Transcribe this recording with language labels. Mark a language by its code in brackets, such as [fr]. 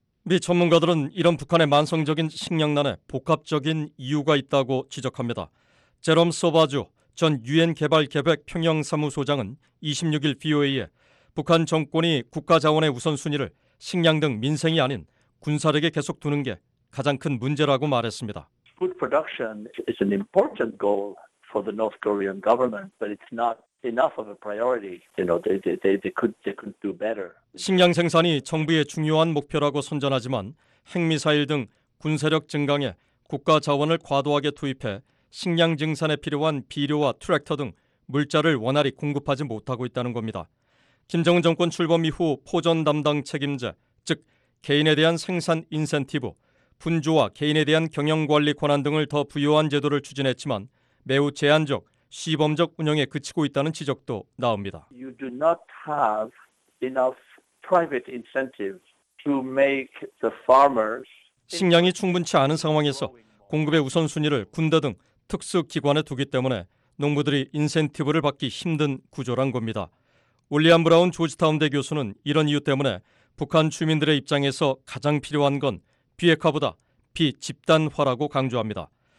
[ko] 미 전문가들은 이런 북한의 만성적인 식량난에 복합적인 이유가 있다고 지적합니다. 제롬 소바주 전 유엔 개발 계획 평형 사무소장은 26일 VOA에 북한 정권이 국가 자원의 우선순위를 식량 등 민생이 아닌 군사력에 계속 두는 게 가장 큰 문제라고 말했습니다. [en] Food production is an important goal for the North Korean government, but it's not enough of a priority. You know, they could do better. [ko] 식량 생산이 정부의 중요한 목표라고 선전하지만 핵미사일 등 군사력 증강에 국가 자원을 과도하게 투입해 식량 증산에 필요한 비료와 트랙터 등 물자를 원활히 공급하지 못하고 있다는 겁니다. 김정은 정권 출범 이후 포전 담당 책임자, 즉 개인에 대한 생산 인센티브, 분주와 개인에 대한 경영관리 권한 등을 더 부여한 제도를 추진했지만 매우 제한적, 시범적 운영에 그치고 있다는 지적도 나옵니다. [en] You do not have enough private incentives to make the farmers [ko] 식량이 충분치 않은 상황에서 공급의 우선순위를 군대 등 특수기관에 두기 때문에 농부들이 인센티브를 받기 힘든 구조란 겁니다. 윌리엄 브라운 조지타운대 교수는 이런 이유 때문에 북한 주민들의 입장에서 가장 필요한 건 비핵화보다 비집단화라고 강조합니다.